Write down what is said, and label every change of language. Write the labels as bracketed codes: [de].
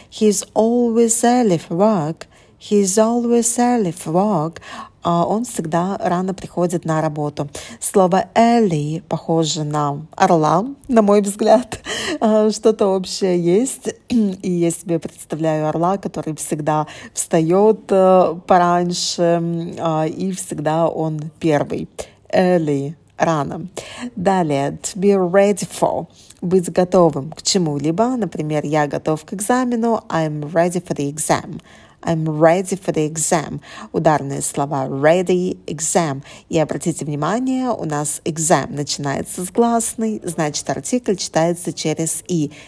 [en] He's always early for work. He's always early for work. [ru] Он всегда рано приходит на работу. Слово early похоже на орла, на мой взгляд. Что-то общее есть. И я себе представляю орла, который всегда встает пораньше, и всегда он первый. Early — рано. Далее, [en] to be ready for. [ru] Быть готовым к чему-либо. Например, я готов к экзамену. [en] I'm ready for the exam. I'm ready for the exam. [ru] Ударные слова ready, exam. И обратите внимание, у нас exam начинается с гласной, значит, артикль читается через и.